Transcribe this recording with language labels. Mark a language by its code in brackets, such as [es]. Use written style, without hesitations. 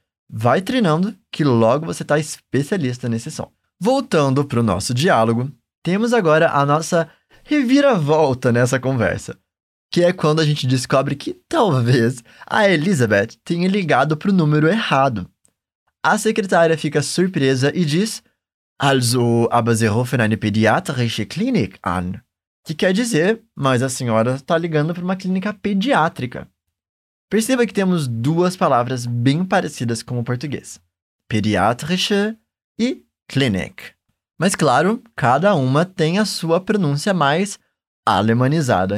[pt] Vai treinando, que logo você está especialista nesse som. Voltando para o nosso diálogo, temos agora a nossa reviravolta nessa conversa, que é quando a gente descobre que talvez a Elizabeth tenha ligado para o número errado. A secretária fica surpresa e diz: [de] Also, aber Sie rufen eine pediatrische Klinik an. [pt] Que quer dizer, mas a senhora está ligando para uma clínica pediátrica. Perceba que temos duas palavras bem parecidas com o português. Pediatrische e Klinik. Mas claro, cada uma tem a sua pronúncia mais alemanizada.